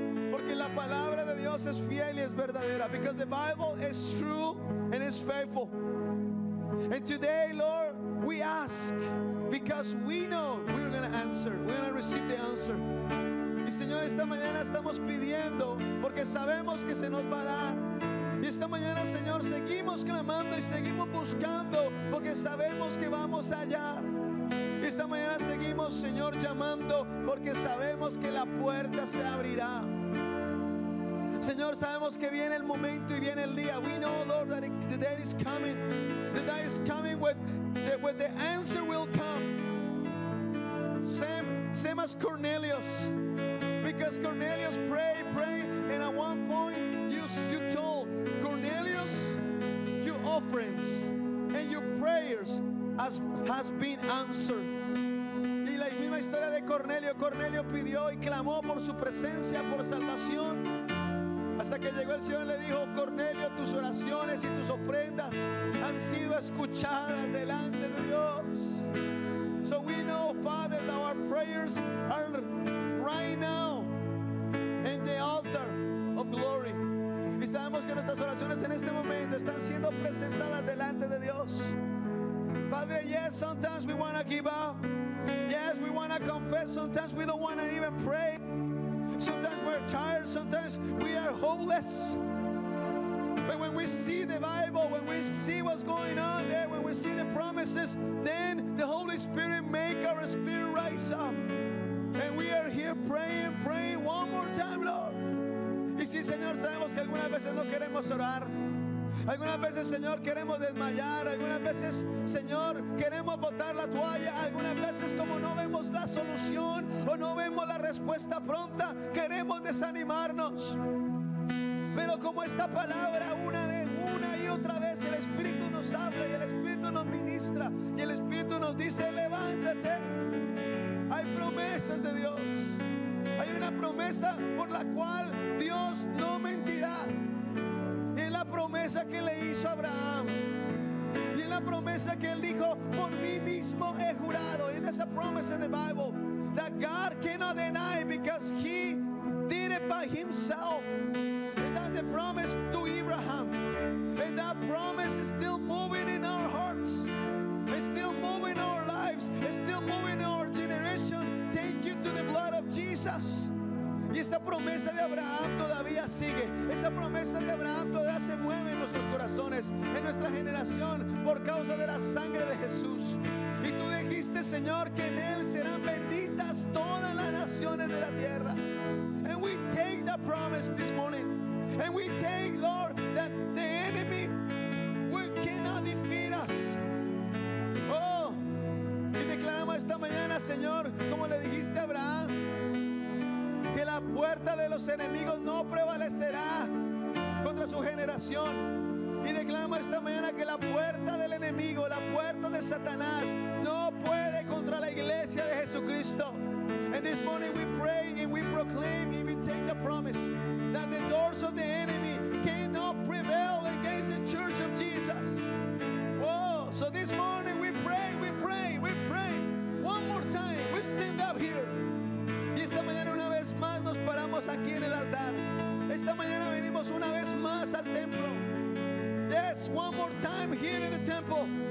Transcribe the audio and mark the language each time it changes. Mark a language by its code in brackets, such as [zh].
[es] Porque la palabra de Dios es fiel y es verdadera. [en] Because the Bible is true and is faithful. And today, Lord, we ask because we know we're going to answer. We're going to receive the answer. [es] Y Señor, esta mañana estamos pidiendo porque sabemos que se nos va a dar. Y esta mañana, Señor, seguimos clamando y seguimos buscando porque sabemos que vamos allá. Y esta mañana seguimos, Señor, llamando porque sabemos que la puerta se abrirá. Señor, sabemos que viene el momento y viene el día. [en] We know, Lord, that the day is coming. The day is coming when the answer will come. Same as Cornelius. Because Cornelius prayed, and at one point you told Cornelius, Cornelius, your offerings and your prayers has been answered. [es] Y la misma historia de Cornelio. Cornelio pidió y clamó por su presencia, por salvación, hasta que llegó el Señor y le dijo: Cornelio, tus oraciones y tus ofrendas han sido escuchadas delante de Dios. [en] So we know, Father, that our prayers are right now in the altar of glory. [es] Y sabemos que nuestras oraciones en este momento están siendo presentadas delante de Dios. [en] Padre, yes, sometimes we want to give up. Yes, we want to confess. Sometimes we don't want to even pray. Sometimes we're tired. Sometimes we are hopeless. But when we see the Bible, when we see what's going on there, when we see the promises, then the Holy Spirit make our spirit rise up. And we are here praying, praying one more time, Lord. [es] Y sí, Señor, sabemos que algunas veces no queremos orar. Algunas veces, Señor, queremos desmayar. Algunas veces, Señor, queremos botar la toalla. Algunas veces, como no vemos la solución o no vemos la respuesta pronta, queremos desanimarnos. Pero como esta palabra, una y otra vez, el Espíritu nos habla y el Espíritu nos ministra y el Espíritu nos dice: levántate. Hay promesas de Dios. Hay una promesa por la cual Dios no mentirá. Y es la promesa que le hizo a Abraham. Y es la promesa que él dijo: por mí mismo he jurado. [en] And there's a promise in the Bible that God cannot deny because he did it by himself. And that's the promise to Abraham. And that promise is still moving in our hearts. It's still moving our lives. It's still moving our generation. Thank you to the blood of Jesus. [es] Y esta promesa de Abraham todavía sigue. Esa promesa de Abraham todavía se mueve en nuestros corazones, en nuestra generación, por causa de la sangre de Jesús. Y tú dijiste, Señor, que en él serán benditas todas las naciones de la tierra. [en] And we take that promise this morning. And we take, Lord, that the enemy cannot defeat us. [es] Oh, y declaramos esta mañana, Señor, como le dijiste a Abraham, que la puerta de los enemigos no prevalecerá contra su generación. Y declaramos esta mañana que la puerta del enemigo, la puerta de Satanás, no puede contra la iglesia de Jesucristo. [en] And this morning we pray and we proclaim and we take the promise that the doors of the enemy cannot prevail against the church of Jesus. Oh, so this morning we pray, we pray, we pray. One more time, we stand up here. [es] Y esta mañana una vez más nos paramos aquí en el altar. Esta mañana venimos una vez más al templo. [en] Yes, one more time here in the temple.